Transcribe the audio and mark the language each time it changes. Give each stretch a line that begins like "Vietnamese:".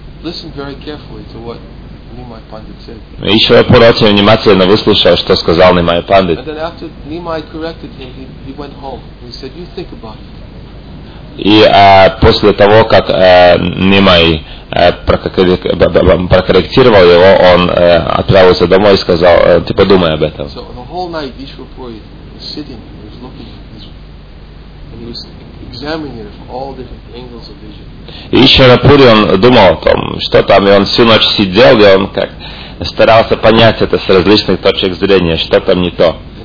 English: Listen very carefully to what Nimai Pandit said.
Russian: Ишварапура очень внимательно выслушал, что сказал Нимай Пандит.
English: And then after Nimai corrected him, he went home. He said, "You think about it."
Russian: И после того, как Нимай прокорректировал его, он отправился домой и сказал, "Ты подумай об этом."
English: So the whole night Ишварапура was sitting, he was looking at this, and he was examining it from all different angles of vision.
Russian: И Ишварапури, он думал о том, что там, и он всю ночь сидел, и он как старался понять это с различных точек зрения, что там не то.